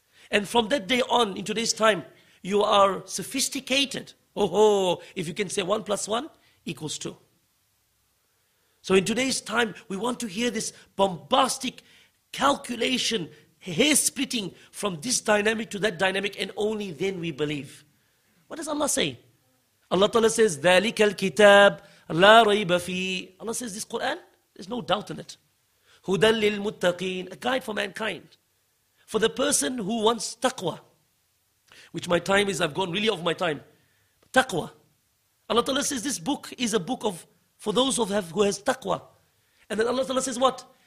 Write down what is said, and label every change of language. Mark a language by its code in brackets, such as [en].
[en] And from that day on, in today's time, you are sophisticated. Oh, if you can say 1 + 1 = 2. So in today's time, we want to hear this bombastic calculation, hair splitting from this dynamic to that dynamic, and only then we believe. What does Allah say? Allah Ta'ala says, [ar] ذَلِكَ الْكِتَابِ لَا رَيْبَ فِيهِ. [en] Allah says, this Quran, there's no doubt in it. [ar] هُدَى لِلْمُتَّقِينَ, [en] a guide for mankind. For the person who wants taqwa, which my time is, I've gone really off my time. Taqwa. Allah Ta'ala says, this book is a book of for those who has taqwa. And then Allah says what?